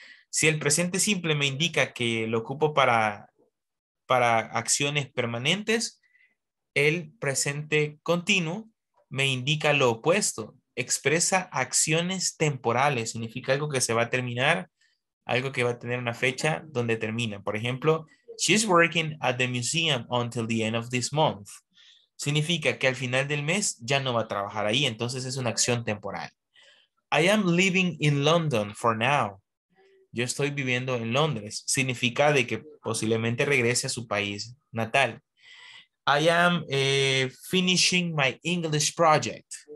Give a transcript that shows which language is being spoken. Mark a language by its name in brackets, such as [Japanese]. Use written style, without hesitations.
[Spanish] Si el presente simple me indica que lo ocupo para acciones permanentes, el presente continuo me indica lo opuesto. Expresa acciones temporales. Significa algo que se va a terminar, algo que va a tener una fecha donde termina. Por ejemplo, [English] she's working at the museum until the end of this month. [Spanish] Significa que al final del mes ya no va a trabajar ahí. Entonces es una acción temporal. [English] I am living in London for now. [Spanish] Yo estoy viviendo en Londres. Significa de que posiblemente regrese a su país natal. [English] I am finishing my English project.